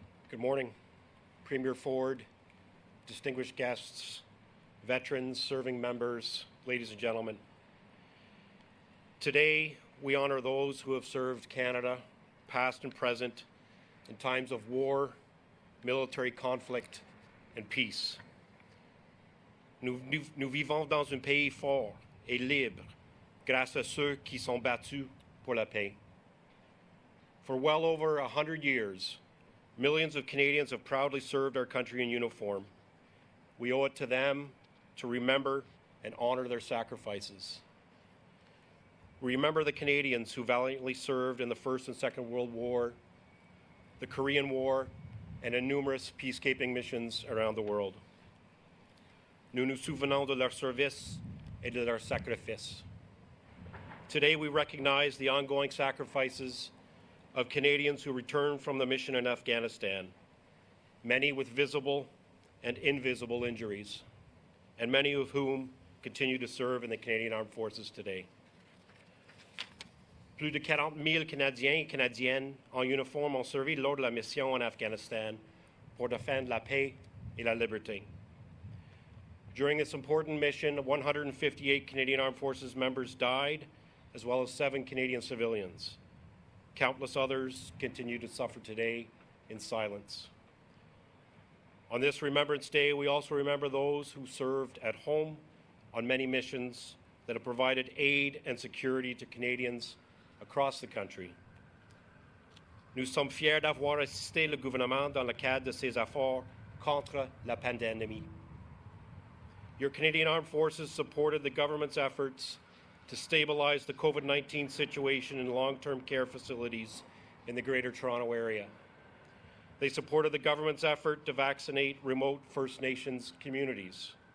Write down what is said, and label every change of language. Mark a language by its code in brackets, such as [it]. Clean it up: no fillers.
[en] Good morning, Premier Ford, distinguished guests, veterans, serving members, ladies and gentlemen. Today, we honour those who have served Canada, past and present, in times of war, military conflict, and peace. [fr] Nous vivons dans un pays fort et libre grâce à ceux qui sont battus pour la paix. [en] For well over 100 years, millions of Canadians have proudly served our country in uniform. We owe it to them to remember and honour their sacrifices. We remember the Canadians who valiantly served in the First and Second World War, the Korean War, and in numerous peacekeeping missions around the world. [fr] Nous nous souvenons de leur service et de leur sacrifice. [en] Today we recognize the ongoing sacrifices of Canadians who returned from the mission in Afghanistan, many with visible and invisible injuries, and many of whom continue to serve in the Canadian Armed Forces today. [fr] Plus de 40 000 Canadiens et Canadiennes en uniforme ont servi lors de la mission en Afghanistan pour défendre la paix et la liberté. [en] During this important mission, 158 Canadian Armed Forces members died, as well as 7 Canadian civilians. Countless others continue to suffer today in silence. On this Remembrance Day, we also remember those who served at home on many missions that have provided aid and security to Canadians across the country. [fr] Nous sommes fiers d'avoir assisté le gouvernement dans le cadre de ses efforts contre la pandémie. [en] Your Canadian Armed Forces supported the government's efforts to stabilize the COVID-19 situation in long-term care facilities in the Greater Toronto Area. They supported the government's effort to vaccinate remote First Nations communities.